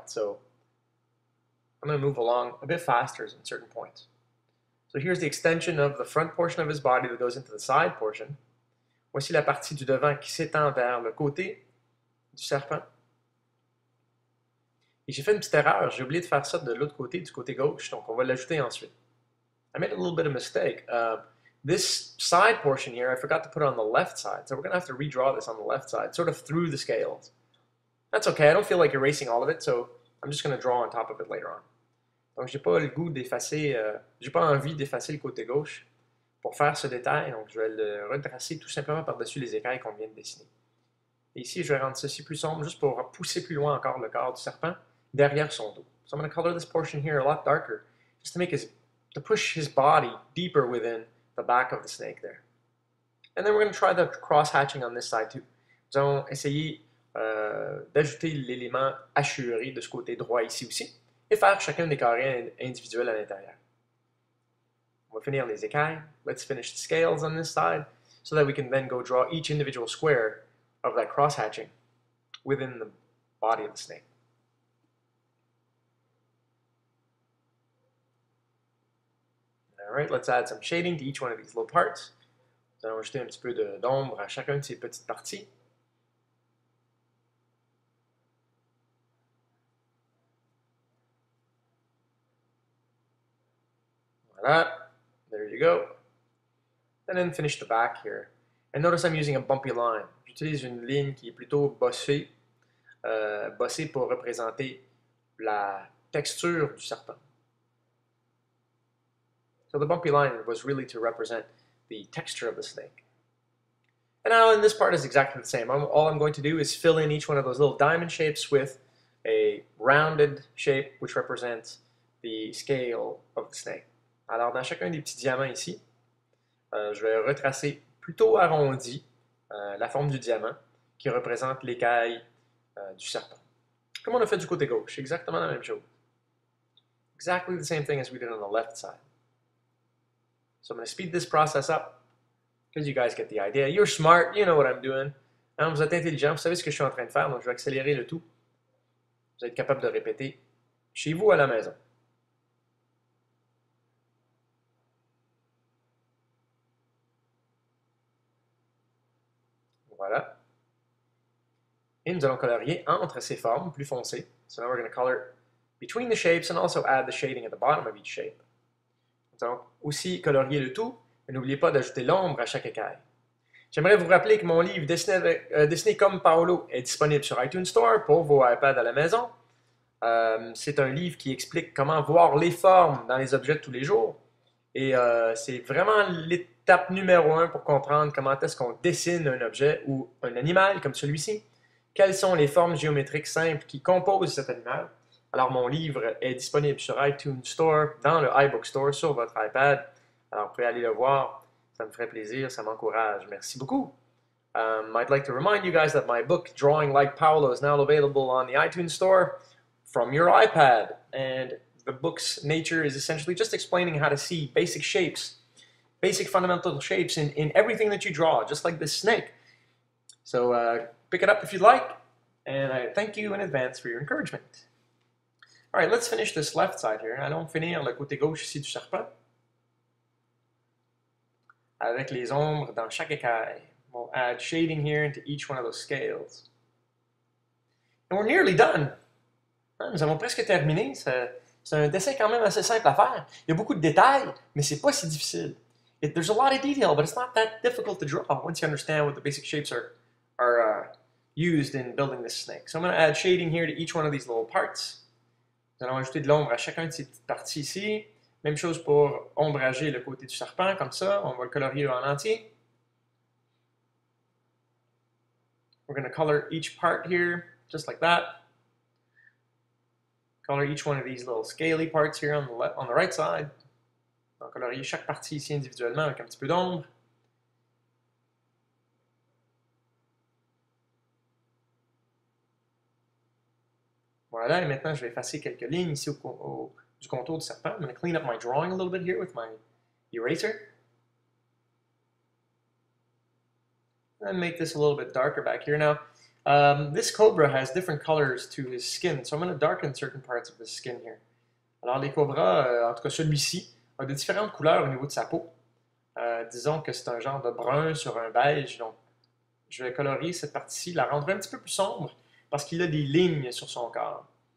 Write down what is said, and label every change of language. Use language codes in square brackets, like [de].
[en] So I'm going to move along a bit faster in certain points. So here's the extension of the front portion of his body that goes into the side portion. [fr] Voici la partie du devant qui s'étend vers le côté du serpent. Et j'ai fait une petite erreur, j'ai oublié de faire ça de l'autre côté, du côté gauche, donc on va l'ajouter ensuite. [en] I made a little bit of a mistake. This side portion here, I forgot to put it on the left side, so we're going to have to redraw this on the left side, sort of through the scales. That's okay, I don't feel like erasing all of it, so I'm just going to draw on top of it later on. [fr] Donc j'ai pas le goût d'effacer, j'ai pas envie d'effacer le côté gauche. Pour faire ce détail, donc je vais le retracer tout simplement par-dessus les écailles qu'on vient de dessiner. Et ici, je vais rendre ceci plus sombre, juste pour pousser plus loin encore le corps du serpent derrière son dos. [en] So I'm going to color this portion here a lot darker, just to make his, to push his body deeper within the back of the snake there. And then we're going to try the cross-hatching on this side too. [fr] Nous allons essayer d'ajouter l'élément hachuré de ce côté droit ici aussi, et faire chacun des carrés individuels à l'intérieur. On va finir les écailles. [en] Let's finish the scales on this side so that we can then go draw each individual square of that cross-hatching within the body of the snake. All right, let's add some shading to each one of these little parts. [fr] Nous allons ajouter un petit peu d'ombre à chacune de ces petites parties. [en] Voilà. There you go. And then finish the back here. And notice I'm using a bumpy line. [fr] J'utilise une ligne qui est plutôt bossée, bossée pour représenter la texture du serpent. [en] So the bumpy line was really to represent the texture of the snake. And now in this part is exactly the same. All I'm going to do is fill in each one of those little diamond shapes with a rounded shape which represents the scale of the snake. [fr] Alors, dans chacun des petits diamants ici, je vais retracer plutôt arrondi la forme du diamant qui représente l'écaille du serpent. Comme on a fait du côté gauche, exactement la même chose. [en] Exactly the same thing as we did on the left side. So I'm going to speed this process up because you guys get the idea. You're smart, you know what I'm doing. [fr] Alors, vous êtes intelligent, vous savez ce que je suis en train de faire, donc je vais accélérer le tout. Vous êtes capable de répéter chez vous à la maison. Voilà. Et nous allons colorier entre ces formes plus foncées. So now we're going to color between the shapes and also add the shading at the bottom of each shape. Nous allons aussi colorier le tout, mais n'oubliez pas d'ajouter l'ombre à chaque écaille. J'aimerais vous rappeler que mon livre Dessiner comme Paolo est disponible sur iTunes Store pour vos iPads à la maison. C'est un livre qui explique comment voir les formes dans les objets de tous les jours. Et c'est vraiment l'étape numéro un pour comprendre comment est-ce qu'on dessine un objet ou un animal comme celui-ci. Quelles sont les formes géométriques simples qui composent cet animal? Alors, mon livre est disponible sur iTunes Store, dans le iBook Store, sur votre iPad. Alors, vous pouvez aller le voir. Ça me ferait plaisir. Ça m'encourage. Merci beaucoup. [en] I'd like to remind you guys that my book, Drawing Like Paolo, is now available on the iTunes Store from your iPad. And the book's nature is essentially just explaining how to see basic shapes, basic fundamental shapes in everything that you draw, just like this snake. So pick it up if you'd like, and I thank you in advance for your encouragement. All right, let's finish this left side here. [fr] Allons finir le côté gauche ici du serpent. Avec les ombres dans chaque écaille. [en] We'll add shading here into each one of those scales. And we're nearly done. [fr] Nous avons presque terminé. C'est un dessin quand même assez simple à faire. Il y a beaucoup de détails, mais c'est pas si difficile. [en] There's a lot of detail, but it's not that difficult to draw once you understand what the basic shapes are used in building this snake. So I'm going to add shading here to each one of these little parts. [fr] Nous allons ajouter de l'ombre à chacun de ces petites parties ici. Même chose pour ombrager le côté du serpent, comme ça. On va le colorier en entier. [en] We're going to color each part here, just like that. Color each one of these little scaly parts here on the left, on the right side. [fr] On va colorier chaque partie ici individuellement avec un petit peu d'ombre. Voilà, et maintenant je vais effacer quelques lignes ici du contour du serpent. [en] I'm going to clean up my drawing a little bit here with my eraser. And make this a little bit darker back here. Now, this cobra has different colors to his skin, so I'm going to darken certain parts of his skin here. [fr] Alors les cobras, en tout cas celui-ci, a de différentes couleurs au niveau de sa peau. Disons que c'est un genre de brun sur un beige, donc je vais colorier cette partie-ci, la rendre un petit peu plus sombre, parce qu'il a des lignes sur son corps.